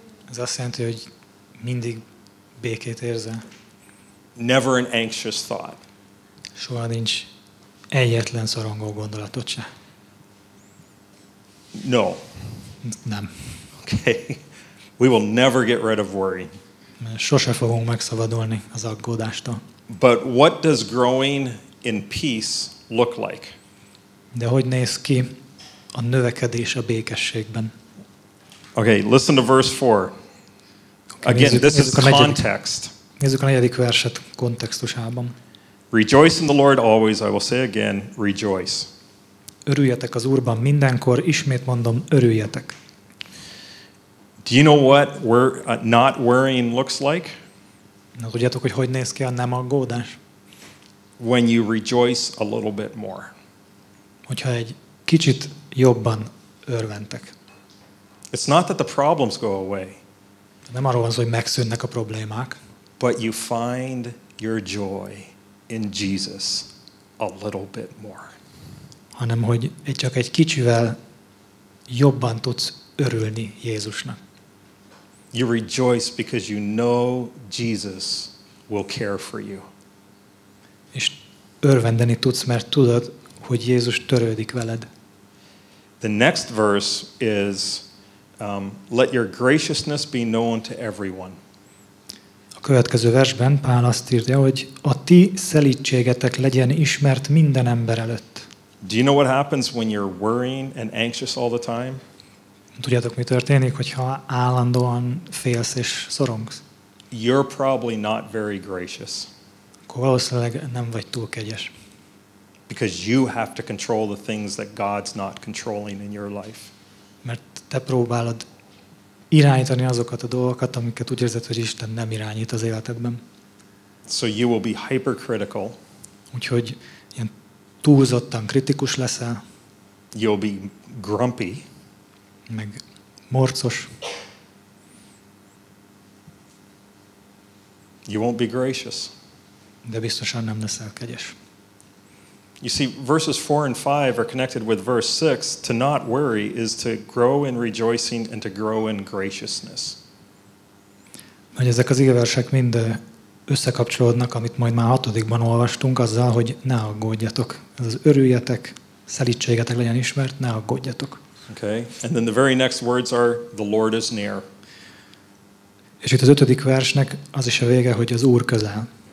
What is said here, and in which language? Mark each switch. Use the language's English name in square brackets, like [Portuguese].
[Hungarian] Ez azt jelenti, hogy mindig békét érzel. [English] Never an anxious thought. [Hungarian] Soha nincs egyetlen szorongó gondolatot se. [English] No. [Hungarian] Nem. [English] Okay. We will never get rid of worry. Sose fogunk megszabadulni az aggódástól. But what does growing in peace look like? [Hungarian] De hogy néz ki a növekedés a békességben. [English] Okay, listen to verse 4. Again, this is context. [Hungarian] Nézzük a negyedik verset kontextusában. [English] Rejoice in the Lord always, I will say again, rejoice. [Hungarian] Örüljetek az Úrban mindenkor, ismét mondom, örüljetek. [English] Do you know what not worrying looks like? [Hungarian] Na, tudjátok, hogy néz ki a nem aggódás? [English] When you rejoice a little bit more. [Hungarian] Hogyha egy kicsit jobban örventek. [English] It's not that the problems go away. [Hungarian] Nem arról van szó, hogy megszűnnek a problémák. [English] But you find your joy in Jesus a little bit more. [Hungarian] Hanem hogy csak egy kicsivel jobban tudsz örülni Jézusnak. [English] You rejoice because you know Jesus will care for you. [Hungarian] És örvendeni tudsz, mert tudod, hogy Jézus törődik veled. [English] The next verse is let your graciousness be known to everyone. [Hungarian] A következő versben Pál azt írja, hogy a ti szelídségetek legyen ismert minden ember előtt. [English] Do you know what happens when you're worrying and anxious all the time? [Hungarian] Tudjátok, mi történik, hogyha állandóan félsz és szorongsz? [English] You're probably not very gracious. [Hungarian] Akkor valószínűleg nem vagy túl kegyes. [English] Because you have to control the things that God's not controlling in your life. [Hungarian] Mert te próbálod irányítani azokat a dolgokat, amiket úgy érzed, hogy Isten nem irányít az életedben. [English] So you will be hypercritical. [Hungarian] Úgyhogy ilyen túlzottan kritikus leszel. [English] You'll be grumpy. [Hungarian] Meg morcos. [English] You won't be gracious. [Hungarian] De biztosan nem leszel kegyes. [English] You see, verses 4 and 5 are connected with verse 6. To not worry is to grow in rejoicing and to grow in graciousness. [Hungarian] Hogy ezek az igeversek mind összekapcsolódnak, amit majd már 6-ban olvastunk, azzal, hogy ne aggódjatok. Ez az örüljetek, szelídségetek legyen ismert, ne aggódjatok. [English] Okay. And then the very next words are the Lord is near. [Hungarian] És itt az 5. versnek az is a vége, hogy az Úr közel.